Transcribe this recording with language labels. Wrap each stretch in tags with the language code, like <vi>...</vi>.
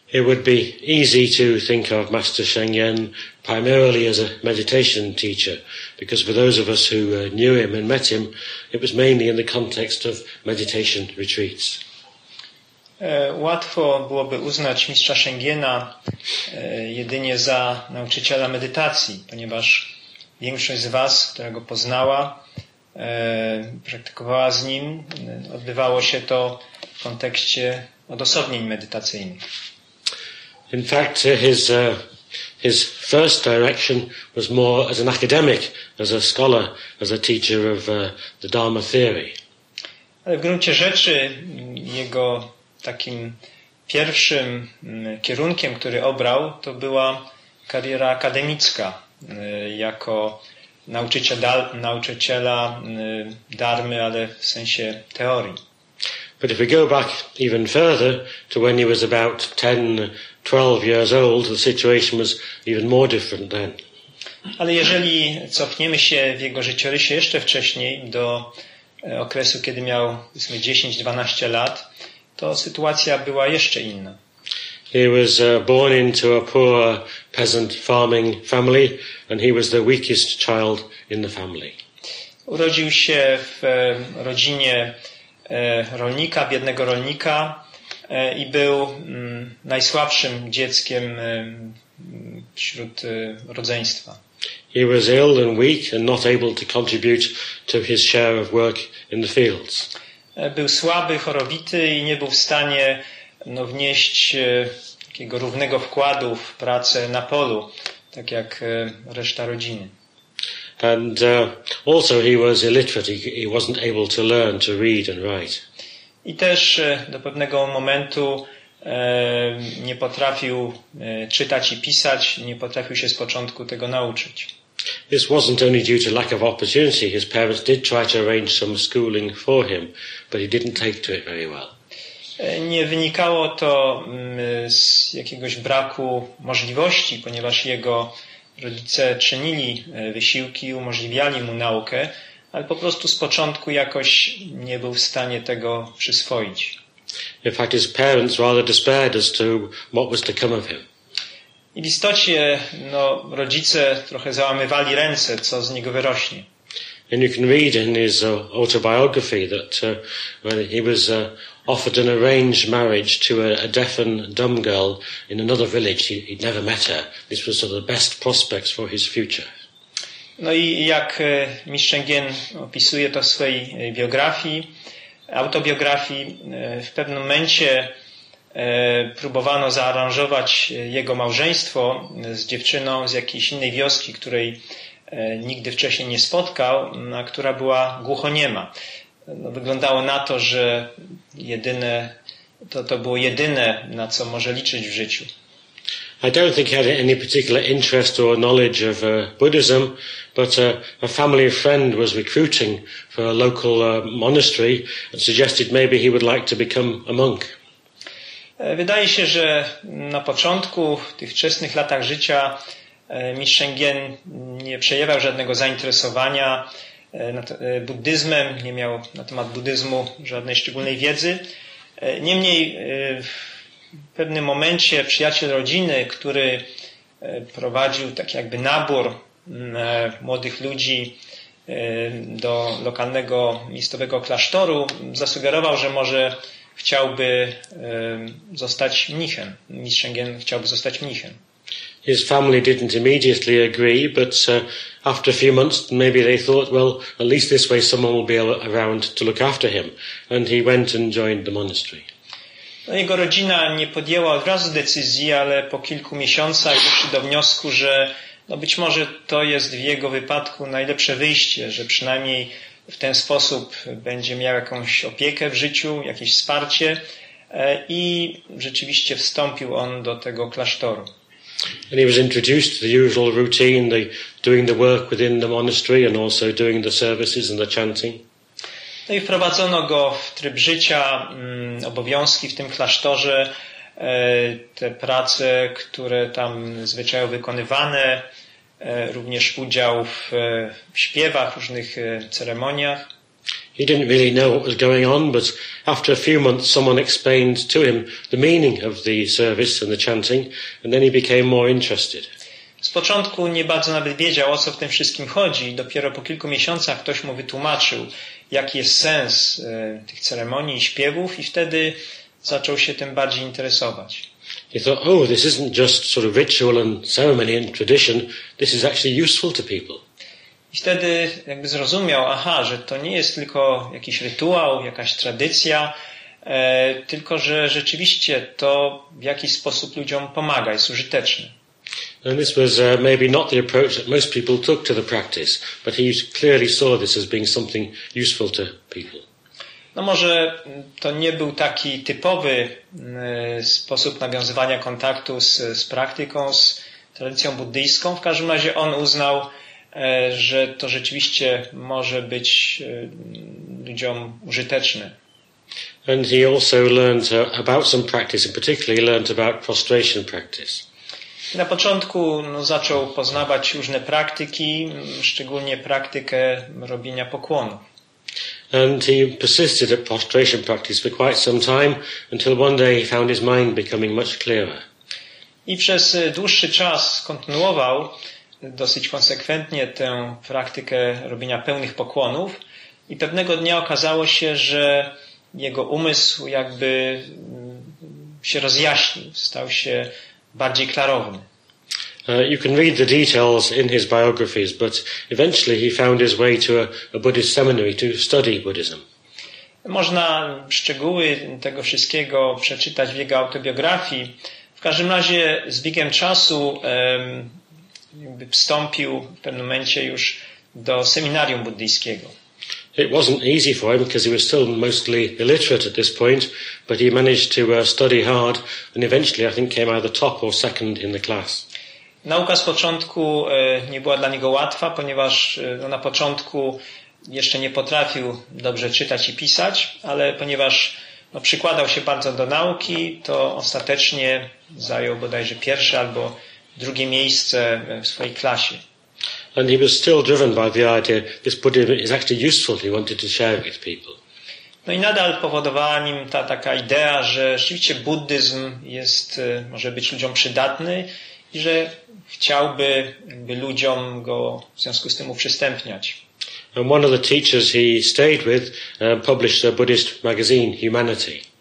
<en>It would be easy to think of Master Sheng Yen primarily as a meditation teacher, because for those of us who knew him and met him, it was mainly in the context of meditation retreats.</en> <pl>Łatwo byłoby uznać mistrza Sheng Yena jedynie za nauczyciela medytacji, ponieważ większość z was, która go poznała, praktykowała z nim, odbywało się to w kontekście odosobnień medytacyjnych.</pl> <en>In fact, his first direction was more as an academic, as a scholar, as a teacher of the Dharma theory.</en> <pl>Ale w gruncie rzeczy jego takim pierwszym kierunkiem, który obrał, to była kariera akademicka jako nauczyciela darmy, ale w sensie teorii.</pl> <en>But if we go back even further to when he was about 10-12 years old, the situation was even more different then.</en> <pl>Ale jeżeli cofniemy się w jego życiorysie jeszcze wcześniej do okresu, kiedy miał 10-12 lat, to sytuacja była jeszcze inna.</pl> <en>He was born into a poor peasant farming family and he was the weakest child in the family.</en> <pl>Urodził się w rodzinie rolnika, biednego rolnika i był najsłabszym dzieckiem wśród rodzeństwa.</pl> <en>He was ill and weak and not able to contribute to his share of work in the fields.</en> <pl>Był słaby, chorowity i nie był w stanie wnieść takiego równego wkładu w pracę na polu, tak jak reszta rodziny.</pl> <en>And also he was illiterate. He wasn't able to learn to read and write.</en> <pl>I też do pewnego momentu nie potrafił czytać i pisać, nie potrafił się z początku tego nauczyć.</pl> <en>This wasn't only due to lack of opportunity. His parents did try to arrange some schooling for him, but he didn't take to it very well.</en> <pl>Nie wynikało to z jakiegoś braku możliwości, ponieważ jego rodzice czynili wysiłki, umożliwiali mu naukę, ale po prostu z początku jakoś nie był w stanie tego przyswoić.</pl> <en>In fact, his parents rather despaired as to what was to come of him.</en> <pl>I w istocie rodzice trochę załamywali ręce, co z niego wyrośnie.</pl> <en>And you can read in his autobiography that when he was offered an arranged marriage to a deaf and dumb girl in another village, he'd never met her. This was sort of the best prospects for his future.</en> <pl>No i jak mistrz Sheng Yen opisuje to w swojej biografii, autobiografii, w pewnym momencie próbowano zaaranżować jego małżeństwo z dziewczyną z jakiejś innej wioski, której nigdy wcześniej nie spotkał, a która była głuchoniema. No, wyglądało na to, że jedyne, to było jedyne, na co może liczyć w życiu.</pl> <en>I don't think he had any particular interest or knowledge of Buddhism, but a family friend was recruiting for a local monastery and suggested maybe he would like to become a monk.</en> <pl>Wydaje się, że na początku, w tych wczesnych latach życia, mistrz Sheng Yen nie przejawiał żadnego zainteresowania buddyzmem, nie miał na temat buddyzmu żadnej szczególnej wiedzy. Niemniej w pewnym momencie przyjaciel rodziny, który prowadził tak jakby nabór młodych ludzi do lokalnego miejscowego klasztoru, zasugerował, że może chciałby zostać mnichem. Mistrz Sheng Yen chciałby zostać mnichem.</pl> <en>His family didn't immediately agree, but after a few months, maybe they thought, well, at least this way someone will be around to look after him. And he went and joined the monastery.</en> <pl>No, jego rodzina nie podjęła od razu decyzji, ale po kilku miesiącach doszli do wniosku, że być może to jest w jego wypadku najlepsze wyjście, że przynajmniej w ten sposób będzie miał jakąś opiekę w życiu, jakieś wsparcie. I rzeczywiście wstąpił on do tego klasztoru.</pl> <en>And he was introduced to the usual routine, the doing the work within the monastery and also doing the services and the chanting.</en> <pl>No i wprowadzono go w tryb życia, obowiązki w tym klasztorze, te prace, które tam zwyczajowo wykonywane, również udział w śpiewach, różnych ceremoniach.</pl> <en>He didn't really know what was going on, but after a few months, someone explained to him the meaning of the service and the chanting, and then he became more interested.</en> <pl>Z początku nie bardzo nawet wiedział, o co w tym wszystkim chodzi. Dopiero po kilku miesiącach ktoś mu wytłumaczył, jaki jest sens tych ceremonii i śpiewów, i wtedy zaczął się tym bardziej interesować.</pl> <en>He thought, oh, this isn't just sort of ritual and ceremony and tradition, this is actually useful to people.</en> <pl>I wtedy jakby zrozumiał, aha, że to nie jest tylko jakiś rytuał, jakaś tradycja, tylko że rzeczywiście to w jakiś sposób ludziom pomaga, jest użyteczne.</pl> <en>And this was maybe not the approach that most people took to the practice, but he clearly saw this as being something useful to people.</en> <pl>No może to nie był taki typowy sposób nawiązywania kontaktu z praktyką, z tradycją buddyjską. W każdym razie on uznał, że to rzeczywiście może być ludziom użyteczne.</pl> <en>And he also learned about some practice, and particularly learned about prostration practice.</en> <pl>Na początku zaczął poznawać różne praktyki, szczególnie praktykę robienia pokłonów.</pl> <en>And he persisted at prostration practice for quite some time until one day he found his mind becoming much clearer.</en> <pl>I przez dłuższy czas kontynuował dosyć konsekwentnie tę praktykę robienia pełnych pokłonów i pewnego dnia okazało się, że jego umysł jakby się rozjaśnił, stał się bardziej klarowny.</pl> <en>You can read the details in his biographies, but eventually he found his way to a Buddhist seminary to study Buddhism.</en> <pl>Można szczegóły tego wszystkiego przeczytać w jego autobiografii. W każdym razie z biegiem czasu jakby wstąpił w pewnym momencie już do seminarium buddyjskiego.</pl> <en>It wasn't easy for him because he was still mostly illiterate at this point, but he managed to study hard and eventually I think came out of the top or second in the class.</en> <pl>Nauka z początku nie była dla niego łatwa, ponieważ na początku jeszcze nie potrafił dobrze czytać i pisać, ale ponieważ przykładał się bardzo do nauki, to ostatecznie zajął bodajże pierwsze albo drugie miejsce w swojej klasie.</pl> <en>And he was still driven by the idea this Buddhism is actually useful, he wanted to share it with people.</en> <pl>No i nadal powodowała nim ta taka idea, że rzeczywiście buddyzm jest, może być ludziom przydatny i że chciałby jakby ludziom go w związku z tym uprzystępniać.</pl> <en>And one of the teachers he stayed with published a Buddhist magazine, Humanity.</en>